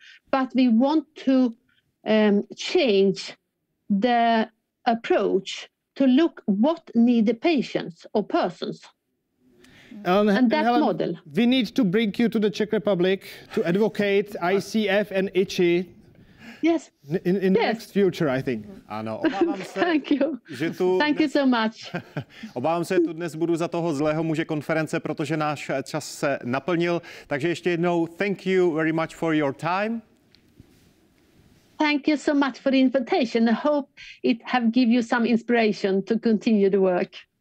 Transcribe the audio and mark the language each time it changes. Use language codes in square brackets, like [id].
[en] But we want to change the approach to look what need the patients or persons. Helen, model. We need to bring you to the Czech Republic to advocate ICF and ICHI. Yes. In the next future, I think. [cs] Ano, [en] thank you so much. [cs] Obávám se, tu dnes budu za toho zlého muže konference, protože náš čas se naplnil. Takže ještě jednou, [en] thank you very much for your time. Thank you so much for the invitation. I hope it have give you some inspiration to continue the work.